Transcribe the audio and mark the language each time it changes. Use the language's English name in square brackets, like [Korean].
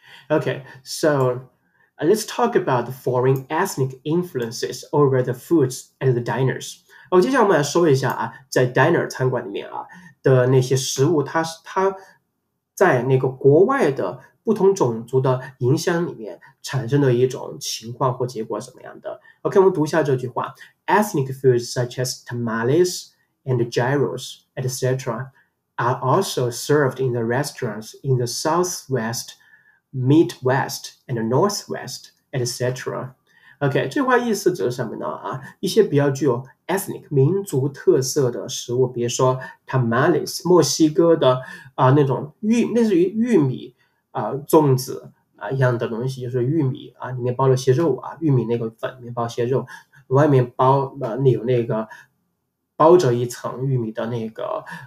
[English] Okay, so let's talk about the foreign ethnic influences over the foods and the diners. [Chinese] 哦，接下来我们来说一下啊，在 diner 餐馆里面啊的那些食物，它在那个国外的不同种族的影响里面产生的一种情况或结果怎么样的。 [English] OK， [Chinese] 我们读一下这句话 [English] ：Ethnic foods such as tamales and gyros, etc., are also served in the restaurants in the Southwest, Midwest, and Northwest, etc. [Chinese] OK， 这句话意思指什么呢？啊，一些比较具有ethnic 民族特色的食物，比如说 tamales 墨西哥的那种玉，类似于玉米粽子一样的东西，就是玉米里面包了些肉玉米那个粉里面包些肉，外面包有那个包着一层玉米的那个